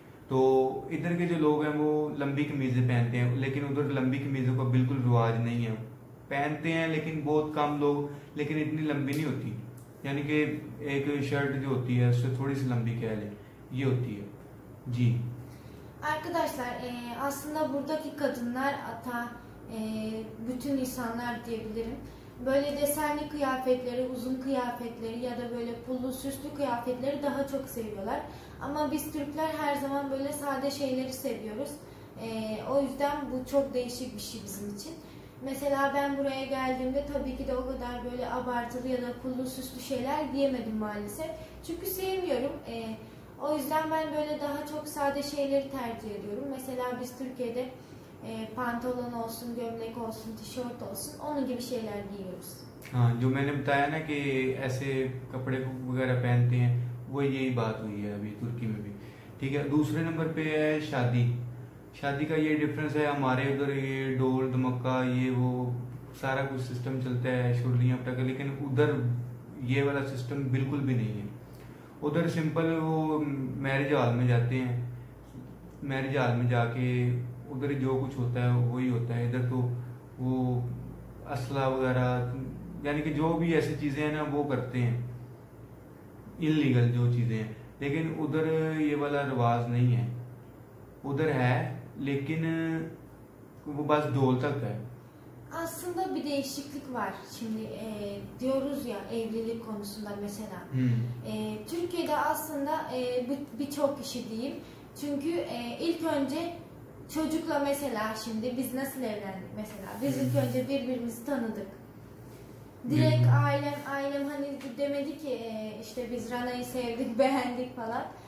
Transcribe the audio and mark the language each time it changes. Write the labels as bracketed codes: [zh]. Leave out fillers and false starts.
[hi] तो इधर के जो लोग हैं वो लंबी कमीजें पहनते हैं, लेकिन उधर लंबी कमीजों का बिल्कुल रिवाज नहीं है, पहनते हैं लेकिन बहुत कम लोग, लेकिन इतनी लंबी नहीं होती, यानी कि एक शर्ट जो होती है उससे थोड़ी सी लंबी कह लें, ये होती है जी। [tr] Arkadaşlar aslında buradaki kadınlar ata bütün insanlar diyebilirim. Böyle desenli kıyafetleri, uzun kıyafetleri ya da böyle pullu süslü kıyafetleri daha çok seviyorlar. Ama biz Türkler her zaman böyle sade şeyleri seviyoruz. O yüzden bu çok değişik bir şey bizim için. Mesela ben buraya geldiğimde tabii ki de o kadar böyle abartılı ya da pullu süslü şeyler giyemedim maalesef. Çünkü sevmiyorum. O yüzden ben böyle daha çok sade şeyleri tercih ediyorum. Mesela biz Türkiye'de pantolon olsun, gömlek olsun, tişört olsun, onun gibi şeyler giyiyoruz. [hi] जो मैंने बताया ना कि ऐसे कपड़े वगैरह पहनते हैं, वो यही बात हुई है अभी तुर्की में भी, ठीक है। दूसरे नंबर पे है शादी, शादी का ये डिफरेंस है, हमारे उधर ये ढोल धमका ये वो सारा कुछ सिस्टम चलता है, छुरलियाँ पटक, लेकिन उधर ये वाला सिस्टम बिल्कुल भी नहीं है। उधर सिंपल वो मैरिज हॉल में जाते हैं, मैरिज हॉल में जाके उधर जो कुछ होता है वही होता है, इधर तो वो असला वगैरह, यानी कि जो भी ऐसी चीजें हैं ना वो करते हैं, इलीगल जो चीजें हैं, लेकिन उधर ये वाला रिवाज नहीं है। उधर है लेकिन वो बस ढोल तक है। [tr] Aslında bir değişiklik var. Şimdi diyoruz ya evlilik konusunda mesela. Türkiye'de aslında birçok kişi diyeyim. Çünkü ilk önce çocukla mesela şimdi biz nasıl evlendik mesela. Biz ilk önce birbirimizi tanıdık. Direkt ailem hani demedi ki işte biz Rana'yı sevdik, beğendik falan.